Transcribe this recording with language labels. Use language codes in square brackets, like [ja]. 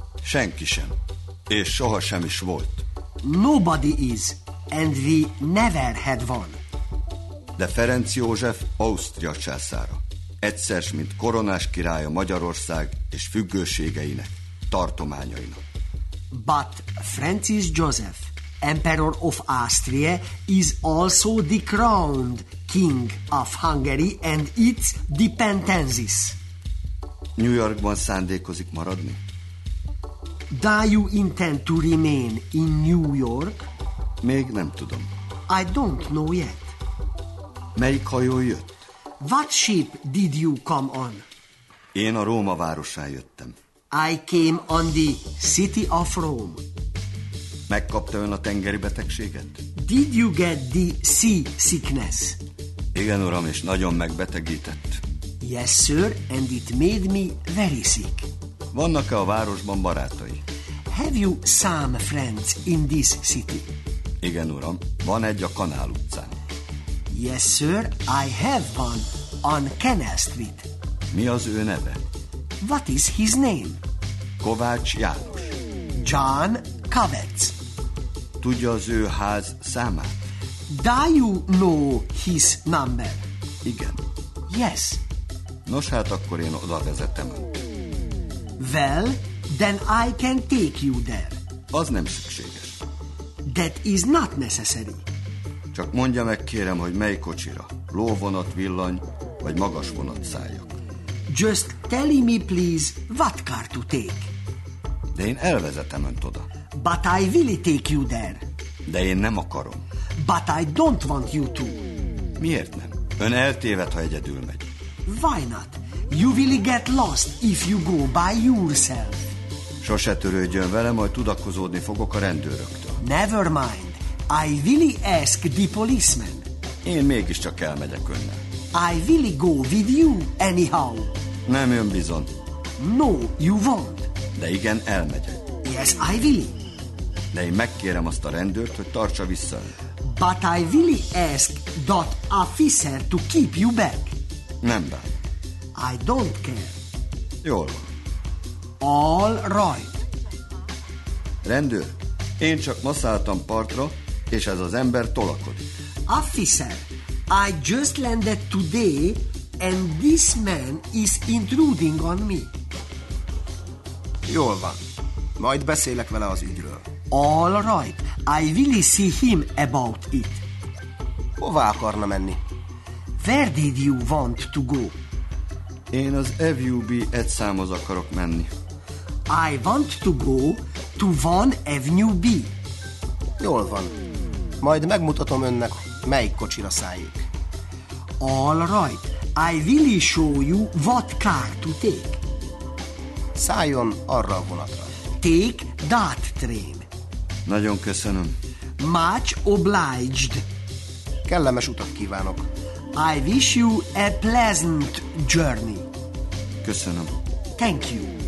[hu] Senki sem. És sohasem is volt. [en] Nobody is. And we never had one. [hu] De Ferenc József Ausztria császára, egyszer s mint koronás királya Magyarország és függőségeinek, tartományainak. [en] But Francis Joseph, Emperor of Austria, is also the crowned king of Hungary and its dependencies. [hu] New Yorkban szándékozik maradni? [en] Do you intend to remain in New York? [hu] Még nem tudom. [en] I don't know yet. [hu] Melyik hajó jött? [en] What ship did you come on? [hu] Én a Róma városá jöttem. [en] I came on the city of Rome. [hu] Megkapta ön a tengeri betegséget? [en] Did you get the sea sickness? [hu] Igen, uram, és nagyon megbetegített. [en] Yes, sir, and it made me very sick. [hu] Vannak-e a városban barátai? [en] Have you some friends in this city? [hu] Igen, uram, van egy a Kanál utcán. [en] Yes, sir, I have one on Canal Street. [hu] Mi az ő neve? [en] What is his name? [hu] Kovács János. [en] John Kovács. [hu] Tudja az ő ház számát? [en] Do you know his number? [hu] Igen. [en] Yes. [hu] Nos, hát akkor én oda vezetem. [en] Well, then I can take you there. [hu] Az nem szükséges. [en] That is not necessary. [hu] Csak mondja meg, kérem, hogy mely kocsira. Lóvonat, villany, vagy magas vonat szálljak. [en] Just tell me, please, what car to take. [hu] De én elvezetem önt oda. [en] But I will take you there. [hu] De én nem akarom. [en] But I don't want you to. [hu] Miért nem? Ön eltéved, ha egyedül megy. [en] Why not? You will get lost if you go by yourself. [hu] Sose törődjön vele, majd tudakozódni fogok a rendőröktől. [en] Never mind. I will ask the policeman. [hu] Én mégiscsak elmegyek önnel. [en] I will go with you anyhow. [hu] Nem jön bizony. [en] No, you won't. [hu] De igen, elmegyek. [en] Yes, I will. [hu] De én megkérem azt a rendőrt, hogy tartsa vissza önt. [en] But I will ask that officer to keep you back. [hu] Nem bár. [en] I don't care. [hu] Jól van. [en] All right. [hu] Rendőr, én csak ma szálltam partra, és ez az ember tolakodik. [en] Officer, I just landed today, and this man is intruding on me. [hu] Jól van. Majd beszélek vele az ügyről. [en] All right. I will see him about it. [hu] Hová akarna menni? [en] Where did you want to go? [hu] Én az FUB egy számhoz akarok menni. [en] I want to go to 1 Avenue B. [hu] Jól van. Majd megmutatom önnek, melyik kocsira szálljuk. [en] All right. I will show you what car to take. [hu] Szálljon arra a vonatra. [en] Take that train. [hu] Nagyon köszönöm. [en] Much obliged. [hu] Kellemes utat kívánok. [en] I wish you a pleasant journey. [hu] Köszönöm. [en] Thank you.